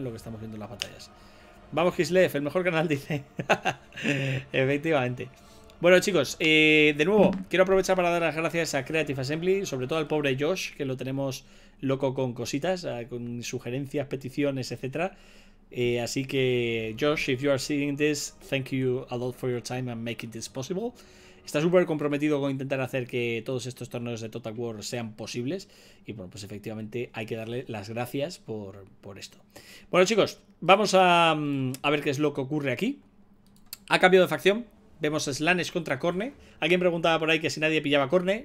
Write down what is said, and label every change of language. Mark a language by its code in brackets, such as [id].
[es] Lo que estamos viendo en las batallas. Vamos, Kislev, el mejor canal, dice. Efectivamente. Bueno, chicos, de nuevo, quiero aprovechar para dar las gracias a Creative Assembly, sobre todo al pobre Josh, que lo tenemos loco con cositas, con sugerencias, peticiones, etcétera. Así que, [en] Josh, if you are seeing this, thank you a lot for your time and making this possible. [es] Está súper comprometido con intentar hacer que todos estos torneos de Total War sean posibles. Y bueno, pues efectivamente hay que darle las gracias por esto. Bueno, chicos, vamos a ver qué es lo que ocurre aquí. Ha cambiado de facción, Vemos a Slanesh contra Corne. Alguien preguntaba por ahí que si nadie pillaba a Corne.